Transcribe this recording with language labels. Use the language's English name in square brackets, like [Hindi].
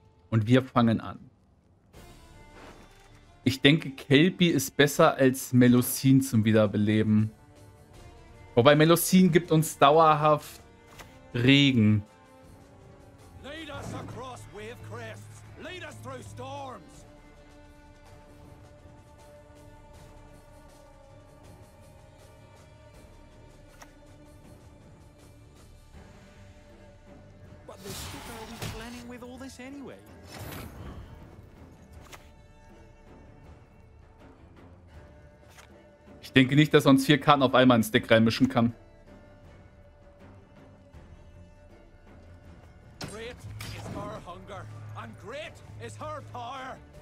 [German] Und wir fangen an. Ich denke, Kelpie ist besser als Melusine zum Wiederbeleben. Wobei Melusine gibt uns dauerhaft Regen. [English] Lead us across wave crests. Lead us through storms. [German] Ich denke nicht, dass er uns 4 Karten auf einmal ins Deck reinmischen kann. [English] stronger, and great is her power.